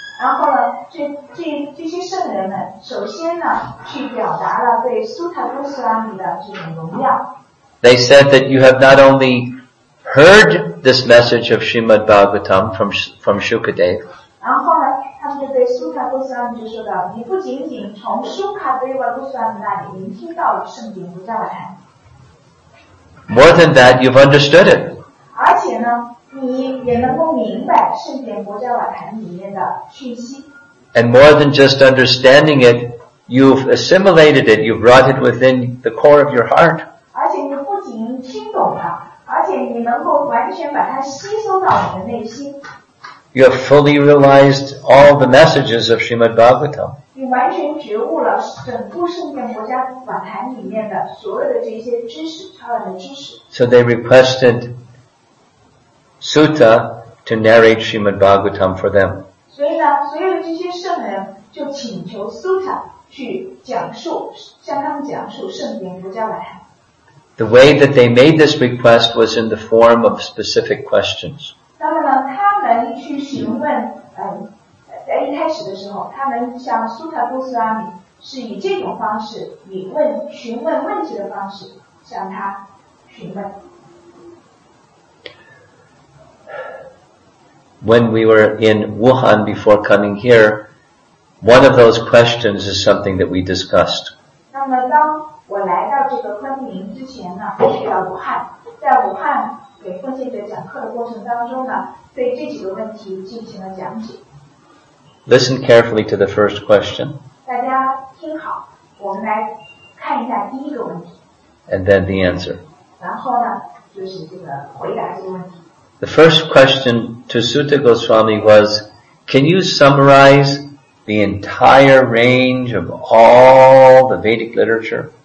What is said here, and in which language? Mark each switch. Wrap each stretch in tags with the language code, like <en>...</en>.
<zh>然后呢，这些圣人们首先呢，去表达了对苏塔多斯拉米的这种荣耀。</zh> <en>They said that you have not only heard this message of Srimad Bhagavatam from Shukadeva.</en> <zh>然后呢，他们就对苏塔多斯拉米就说到，你不仅仅从苏卡贝瓦多斯拉米那里聆听到了圣言佛教瓦坦。</zh> <en>More than that, you've understood it.</en> <zh>而且呢，你也能够明白圣言佛教瓦坦里面的讯息。</zh> <en>And more than just understanding it, you've assimilated it. You've brought it within the core of your heart.</en> <zh>而且你不仅听懂了，而且你能够完全把它吸收到你的内心。</zh> <en>You have fully realized all the messages of Srimad Bhagavatam.</en> <zh>你完全觉悟了整部圣言佛教瓦坛里面的所有的这些知识，超然的知识。</zh> <en>So they requested Sutta to narrate Srimad Bhagavatam for them.</en> <zh>所以呢，所有的这些圣人就请求 Sutta 去讲述，向他们讲述圣言佛教瓦坛。</zh> <en>The way that they made this request was in the form of specific questions.</en> <zh>那么呢，他们去询问，在一开始的时候，他们向苏塔波斯拉米是以这种方式，以询问问题的方式向他询问。</zh> <en>When we were in Wuhan before coming here, one of those questions is something that we discussed.</en> <zh>那么当我来到这个昆明之前呢，去了武汉，在武汉给奉献者讲课的过程当中呢，对这几个问题进行了讲解。</zh> <en>Listen carefully to the first question.</en> <zh>大家听好，我们来看一下第一个问题。</zh> <en>And then the answer.</en> <zh>然后呢，就是这个回答这个问题。</zh> <en>The first question to Sutta Goswami was, can you summarize the entire range of all the Vedic literature?</en>